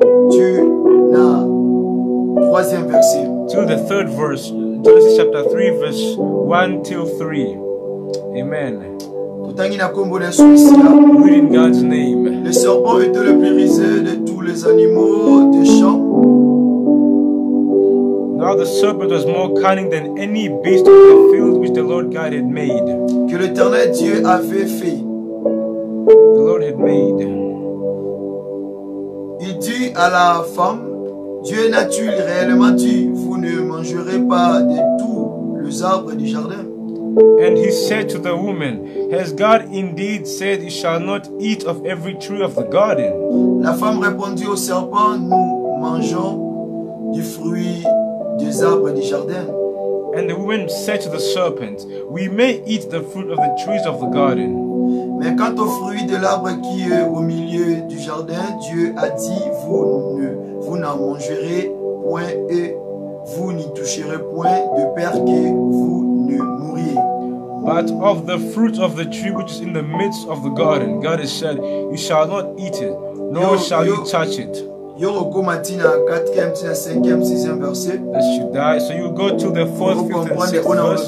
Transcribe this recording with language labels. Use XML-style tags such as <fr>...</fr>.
<en>Tu na troisième verset. To the third verse, Genesis chapter 3 verse 1 till 3. Amen. Tout tangi na kombo na soucia. Read in God's name.</en> <fr>Le serpent était le plus risé de tous les animaux des champs.</fr> <en>Now the serpent was more cunning than any beast of the field which the Lord God had made.</en> <fr>Que l'Éternel Dieu avait fait.</fr> <en>The Lord had made.</en> <fr>Il dit à la femme, Dieu n'a-tu réellement dit, vous ne mangerez pas de tous les arbres du jardin?</fr> <en>And he said to the woman, has God indeed said, you shall not eat of every tree of the garden?</en> <fr>La femme répondit au serpent, nous mangeons du fruit des arbres du jardin.</fr> <en>And the woman said to the serpent, we may eat the fruit of the trees of the garden.</en> <fr>Mais quant au fruit de l'arbre qui est au milieu du jardin, Dieu a dit, vous n'en mangerez point et vous n'y toucherez point de peur que vous ne mouriez.</fr> <en>But of the fruit of the tree which is in the midst of the garden, God has said, you shall not eat it, nor shall you touch it. Lest you die. So you go to the fourth, fifth, and sixth verse.</en>